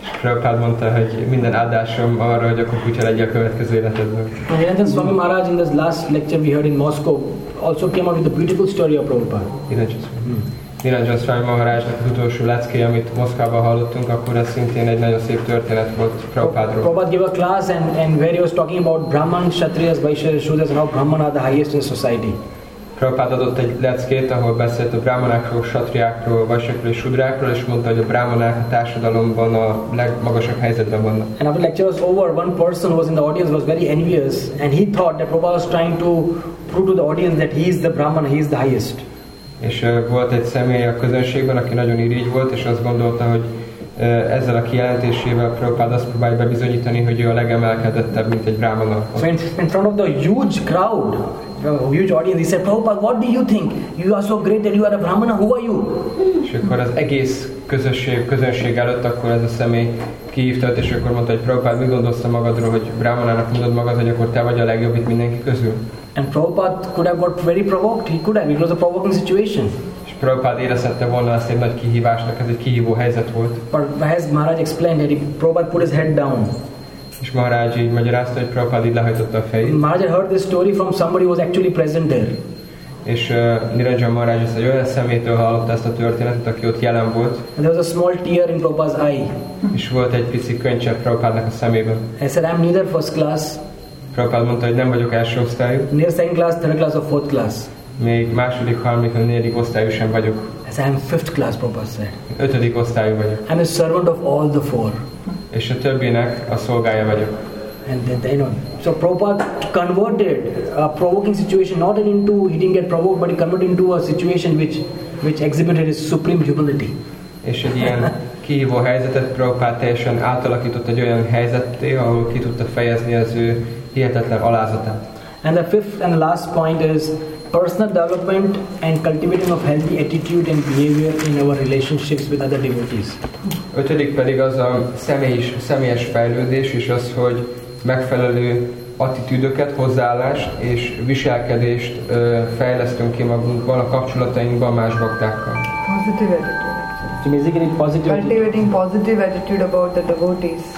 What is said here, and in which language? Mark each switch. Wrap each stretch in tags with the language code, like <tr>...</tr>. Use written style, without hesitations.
<hu>Prabhupada mondta, hogy minden áldásom arra, hogy akkor kutya legyen a következő életedben.</hu> <en>And then Swami Maharaj, in this last lecture we heard in Moscow, also came up with a beautiful story of Prabhupada.</en> <hu>Nirajan Swami Maharajnak az utolsó leckéje, amit Moszkvában hallottunk, akkor ez szintén egy nagyon szép történet volt Prabhupádról.</hu> <en>Prabhupád gave a class and where he was talking about Brahman, Kshatriyas, Vaishyas, Shudras and how Brahman are the highest in society.</en> <hu>Prabhupád adott egy leckét, ahol beszélt a Brahmanákról, Kshatriyákról, Vaishyakról és Shudrákról, és mondta, hogy a Brahmanák a társadalomban a legmagasabb helyzetben vannak.</hu> <en>And after the lecture was over, one person who was in the audience was very envious and he thought that Prabhupád was trying to prove to the audience that he is the Brahman, he is the highest.</en> <hu>És volt egy személy a közönségben, aki nagyon irigy volt, és azt gondolta, hogy ezzel a kijelentésével Prabhupád azt próbálja bebizonyítani, hogy ő a legemelkedettebb, mint egy brahmana.</hu> <en>So in front of the huge crowd, a huge audience, he said, Prabhupád, what do you think? You are so great that you are a brahmana, who are you?</en> <hu>És akkor az egész közönség előtt, akkor ez a személy kihívtat, és akkor mondta, hogy Prabhupád, mit gondolsz te magadról, hogy brahmanának mondod magad, hogy akkor te vagy a legjobb itt mindenki közül?</hu> <en>And Prabhupada could have got very provoked. He could have. It was a provoking situation.</en> <hu>És Prabhupada érezhette volna ezt egy nagy kihívásnak, ez egy kihívó helyzet volt.</hu> <en>But as Maharaj explained, that Prabhupada put his head down.</en> <hu>És Maharaj így magyarázta, hogy Prabhupada így lehajtotta a fejét.</hu> <en>Maharaj heard this story from somebody who was actually present there.</en> <hu>És Nirajan Maharaj ezt egy olyan szemétől hallotta ezt a történetet, aki ott jelen volt.</hu> <en>And there was a small tear in Prabhupada's eye.</en> <hu>És volt egy pici könycsepp Prabhupádnak a szemében.</hu> <en>He said, I'm neither first class.</en> <hu>Prabhupád mondta, hogy nem vagyok első osztályú.</hu> <en>Near second class, third class or fourth class.</en> <hu>Még második, harmadik, negyedik osztályú sem vagyok.</hu> <en>As I am fifth class, Prabhupád said.</en> <hu>Ötödik osztályú vagyok.</hu> <en>I am a servant of all the four.</en> <hu>És a többinek a szolgája vagyok.</hu> <en>And then they know. So Prabhupád converted a provoking situation, not into, he didn't get provoked, but he converted into a situation which exhibited his supreme humility.</en> <hu>És egy ilyen kihívó helyzetet Prabhupád teljesen átalakított egy olyan helyzetté, ahol ki tudta fejezni az ő hihetetlen alázatát.</hu> <en>And the fifth and the last point is personal development and cultivating of healthy attitude and behavior in our relationships with other devotees.</en> <hu>Ötödik pedig az a személyes fejlődés és az, hogy megfelelő attitűdöket, hozzáállást és viselkedést fejlesztünk ki magunkban a kapcsolatainkban más baktákkal.</hu> <en>Positive attitude. Basically positive. Cultivating positive attitude about the devotees.</en>